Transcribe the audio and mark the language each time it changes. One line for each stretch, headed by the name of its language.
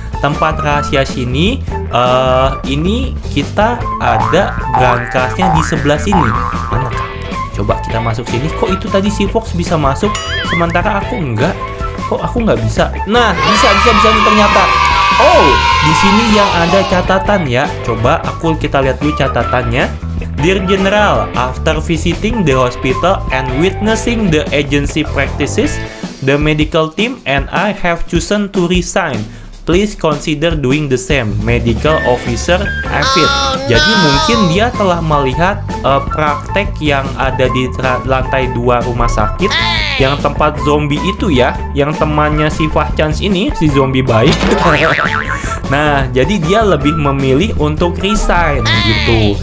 Indonesian: Tempat rahasia sini, ini kita ada brankasnya di sebelah sini. Mana? Coba kita masuk sini. Kok itu tadi si Fox bisa masuk, sementara aku enggak. Kok aku enggak bisa? Nah, bisa nih ternyata. Oh, di sini yang ada catatan ya. Coba aku kita lihat dulu catatannya.
English: Dear General, after visiting the hospital and witnessing the agency practices, the medical team and I have chosen to resign. Please consider doing the same, Medical Officer Avid. Oh, no.
Indonesian: Jadi mungkin dia telah melihat praktek yang ada di lantai 2 rumah sakit, hey. Yang tempat zombie itu ya, yang temannya si Fahchans ini, si zombie baik. Nah, jadi dia lebih memilih untuk resign, hey. Gitu.